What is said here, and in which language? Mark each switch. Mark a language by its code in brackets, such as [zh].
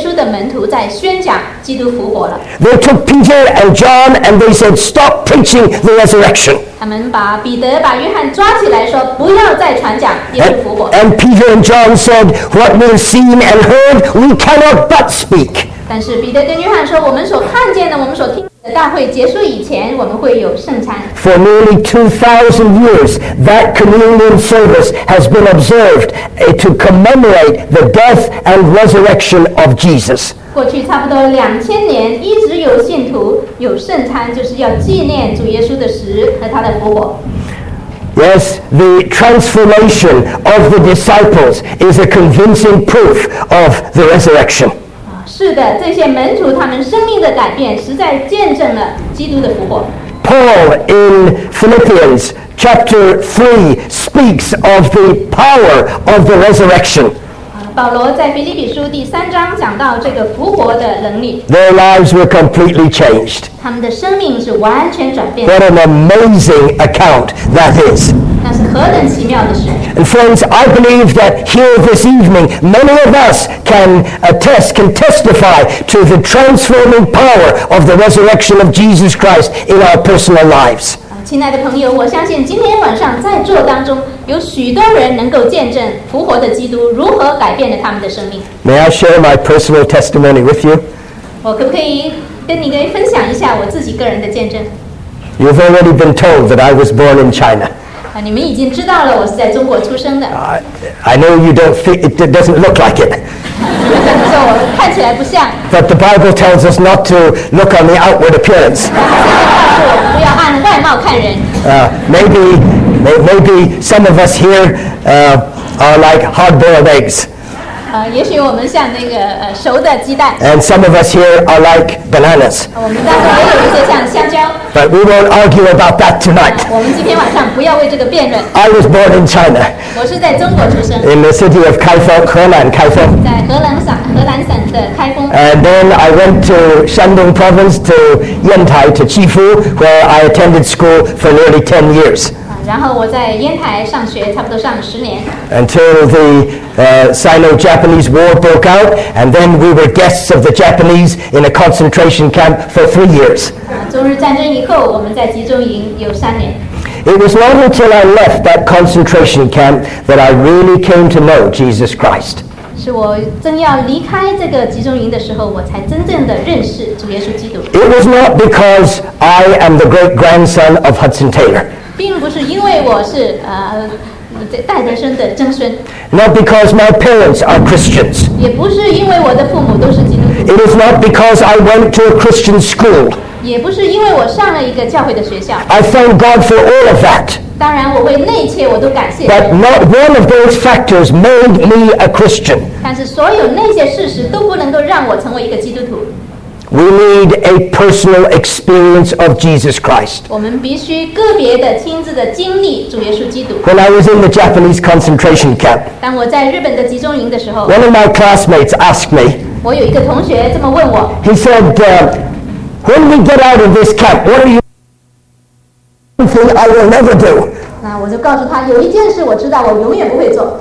[en] They took Peter and John and they said, "Stop preaching the resurrection." And Peter and John said, "What we've seen and heard, we cannot but speak." [zh] 但是彼得跟约翰说，我们所看见的，我们所听的，大会结束以前，我们会有圣餐。 [en] For nearly 2,000 years, that communion service has been observed to commemorate the death and resurrection of Jesus. [zh] 过去差不多2000年，一直有信徒有圣餐，就是要纪念主耶稣的死和他的复活。 [en] Yes, the transformation of the disciples is a convincing proof of the resurrection. [zh] 是的，这些门徒他们生命的改变，实在见证了基督的复活。 [en] Paul in Philippians chapter 3 speaks of the power of the resurrection. [zh] 保罗在腓立比书第三章讲到这个复活的能力。 [en] Their lives were completely changed. [zh] 他们的生命是完全转变。 [en] What an amazing account that is. And friends, I believe that here this evening, many of us can testify to the transforming power of the resurrection of Jesus Christ in our personal lives. [zh] 亲爱的朋友，我相信今天晚上在座当中有许多人能够见证复活的基督如何改变了他们的生命。 [en] May I share my personal testimony with you? [zh] 我可不可以跟你分享一下我自己个人的见证？ [en] You've already been told that I was born in China. [zh] 你们已经知道了，我是在中国出生的。 [en] I know you don't fit. It doesn't look like it. [zh] 说我看起来不像。 [en] But the Bible tells us not to look on the outward appearance. [zh] 不要按外貌看人。 [en] Maybe some of us here are like hard-boiled eggs. [zh] 也许我们像那个熟的鸡蛋。 [en] And some of us here are like bananas. [zh] 我们当中也有一些像香蕉。 [en] But we won't argue about that tonight. [zh] 我们今天晚上不要为这个辩论。 [en] I was born in China. [zh] 我是在中国出生。 [en] In the city of Kaifeng, 河南开封。 [zh] 在河南省的开封。 [en] And then I went to Shandong Province to Yantai to Qifu, where I attended school for nearly 10 years. [zh] 然后我在烟台上学，差不多上了十年。 [en] Until the Sino-Japanese War broke out, and then we were guests of the Japanese in a concentration camp for 3 years. [zh] 中日战争以后，我们在集中营有三年。 [en] It was not until I left that concentration camp that I really came to know Jesus Christ. [zh] 是我正要离开这个集中营的时候，我才真正的认识主耶稣基督。 [en] It was not because I am the great grandson of Hudson Taylor. [zh] 并不是因为我是戴德生的曾孙。 [en] Not because my parents are Christians. [zh] 也不是因为我的父母都是基督徒。 [en] It is not because I went to a Christian school. [zh] 也不是因为我上了一个教会的学校。 [en] I thank God for all of that. [zh] 当然，我为那一切我都感谢。 [en] But not one of those factors made me a Christian. [zh] 但是所有那些事实都不能够让我成为一个基督徒。 [en] We need a personal experience of Jesus Christ. [zh] 我们必须个别的亲自的经历主耶稣基督。 [en] When I was in the Japanese concentration camp, [zh] 当我在日本的集中营的时候 [en] ，one of my classmates asked me. [zh] 我有一个同学这么问我。 [en] He said, "When we get out of this camp, what are you one thing I will never do?" [zh] 那我就告诉他，有一件事我知道我永远不会做。